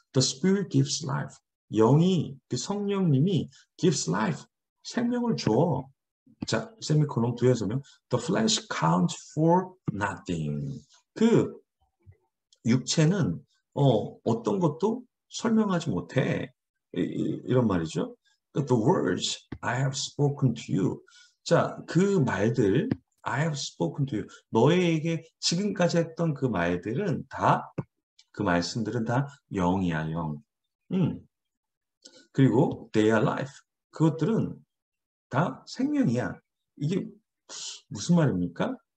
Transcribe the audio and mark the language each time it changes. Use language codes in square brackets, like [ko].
[en] The Spirit gives life. [ko] 영이, 그 성령님이 [en] gives life. [ko] 생명을 줘. 자, 세미콜론 두 해설명. [en] The flesh counts for nothing. [ko] 그 육체는 어떤 것도 설명하지 못해. 이런 말이죠. [en] The words I have spoken to you. [ko] 자, 그 말들 [en] I have spoken to you. [ko] 너에게 지금까지 했던 그 말들은 다, 그 말씀들은 다 영이야, 영. 그리고 [en] they are life. [ko] 그것들은 다 생명이야. 이게 무슨 말입니까?